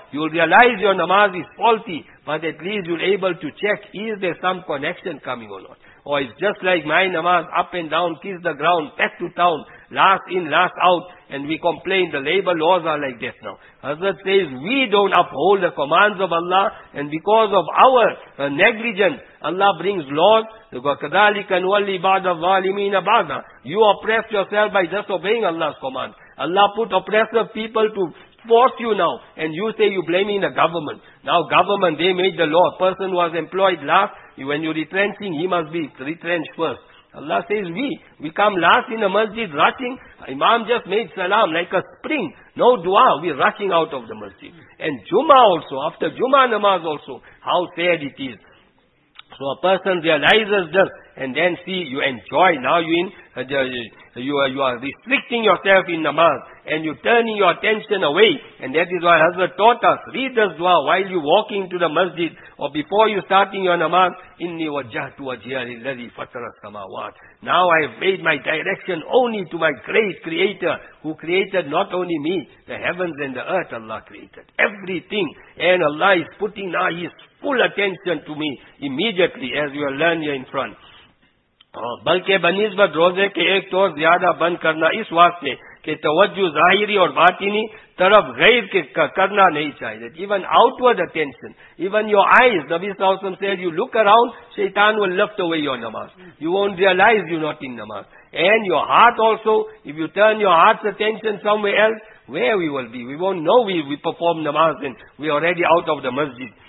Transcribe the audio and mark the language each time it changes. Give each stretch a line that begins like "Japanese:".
English: You'll realize your namaz is faulty, but at least you'll be able to check, is there some connection coming or not? Or it's just like my namaz, up and down, kiss the ground, back to town, last in, last out, and we complain, the labor laws are like this now. Hazrat says, we don't uphold the commands of Allah, and because of our negligence, Allah brings laws.
Arabic: وَكَذَلِكَ نُوَلِّي بَعْضَ الظَّالِمِينَ بَعْضًا.
English: You oppress yourself by disobeying Allah's command. Allah put oppressive people to force you now, and you say you're blaming the government. Now government, they made the law. Person was employed last, when you're retrenching, he must be retrenched first. Allah says, we come last in the masjid, rushing. Imam just made salam like a spring. No dua, we're rushing out of the masjid. And Jummah also, after Jummah namaz also, how sad it is. So a person realizes this, and then see, you enjoy, now you are restricting yourself in namaz, and you're turning your attention away, and that is why Hazrat taught us, read this dua while you're walking to the masjid, or before you're starting your namaz,
Arabic: إِنِّي وَجَّهْتُ وَجْهِيَ لِلَّذِي فَطَرَ السَّمَاوَاتِ.
English: Now I have made my direction only to my great creator, who created not only me, the heavens and the earth Allah created, everything, and Allah is putting now His full attention to me immediately, as you will learn here in front.
Urdu: بلکہ بنسبت روزے کے ایک طور زیادہ بند کرنا اس واسطے کہ توجہ ظاہری اور باطنی طرف غیر کے کرنا نہیں چاہیے.
English: Even outward attention, even your eyes, Nabi Sallallahu Alaihi Wasallam said, you look around, shaitan will lift away your namaz. You won't realize you're not in namaz. And your heart also, if you turn your heart's attention somewhere else, where we will be. We won't know we perform namaz and we are already out of the masjid.